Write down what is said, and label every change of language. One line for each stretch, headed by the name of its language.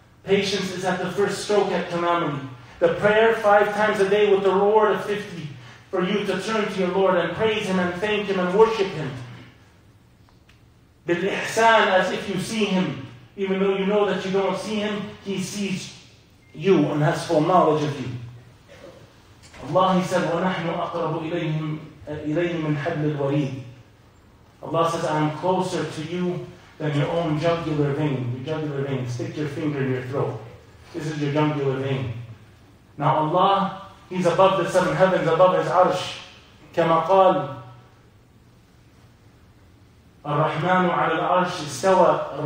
English: Patience is at the first stroke at calamity. The prayer 5 times a day with the reward of 50 for you to turn to your Lord and praise Him and thank Him and worship Him. Bil ihsan, as if you see Him. Even though you know that you don't see Him, He sees you and has full knowledge of you. Allah, He said,
Arabic: وَنَحْنُ أَقْرَبُ إِلَيْهِ مِنْ حَبْلِ الْوَرِيدِ.
English: Allah says, I'm closer to you than your own jugular vein. Your jugular vein. Stick your finger in your throat. This is your jugular vein. Now Allah, He's above the 7 heavens, above His arsh.
Arabic: كَمَا قَالَ الرَّحْمَنُ عَلَى الْعَرْشِ اسْتَوَى.